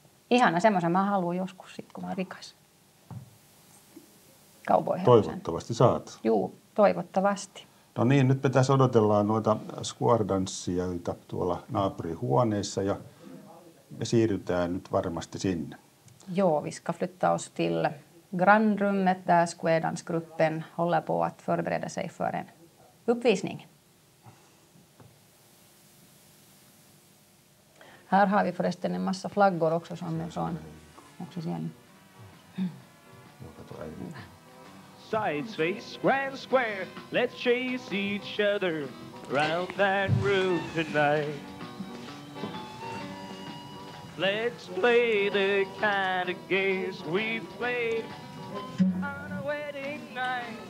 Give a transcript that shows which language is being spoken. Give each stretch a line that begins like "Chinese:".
Finnish: Ihana, semmoisen mä haluan joskus sitten, kun mä oon rikas. Toivottavasti saat. Juu, toivottavasti. No niin, nyt me tässä odotellaan noita squardanssijoita tuolla naapurihuoneessa ja me siirrytään nyt varmasti sinne.
Swedish: Joo, vi ska flytta oss till grannrummet där squardansgruppen håller på att förbereda sig för en uppvisning. Här har vi förresten en massa flaggor också som är från. Också
Finnish: siellä.
English: Sides face, grand square, let's chase each other round that room tonight. Let's play the kind of games we played on a wedding night.